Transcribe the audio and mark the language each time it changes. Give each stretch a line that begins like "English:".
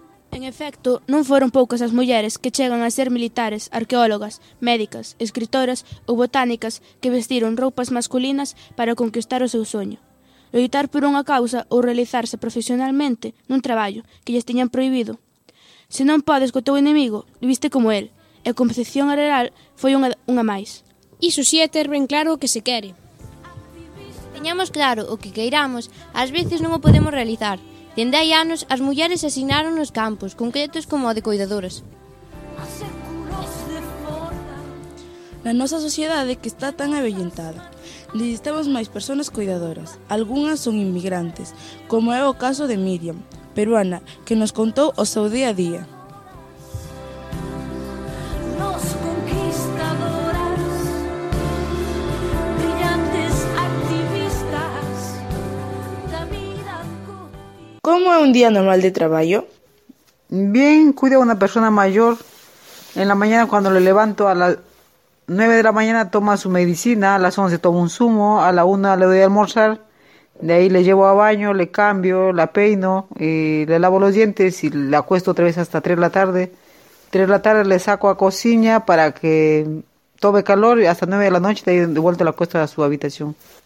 Galician: En efecto, non foron poucas as mulleres que chegan a ser militares, arqueólogas, médicas, escritoras ou botánicas que vestiron roupas masculinas para conquistar o seu soño. Loitar por unha causa ou realizarse profesionalmente nun traballo que lles tiñan prohibido. Se non podes co teu inimigo, viste como el, e Concepción Arenal foi unha máis. Iso si é ter ben claro o que se quere. Teñamos claro o que queiramos, ás veces non o podemos realizar. Dende hai anos, as mulleres se asignaron nos campos, concretos como o de cuidadoras. Na nosa sociedade que está tan avellentada, necesitamos máis persoas cuidadoras. Algúnas son inmigrantes, como é o caso de Miriam, peruana, que nos contou o seu día a día. Como é un día normal de traballo?
Spanish: Bien, cuido a unha persoa maior. En la mañana, cando le levanto a las 9 de la mañana, toma su medicina. A las 11 toma un zumo. A la 1 le doy a almorzar. De ahí le llevo a baño, le cambio, la peino, le lavo los dientes y le acuesto otra vez hasta 3 de la tarde. 3 de la tarde le saco a cocina para que tome calor y hasta 9 de la noche de ahí de vuelta le acuesto a su habitación.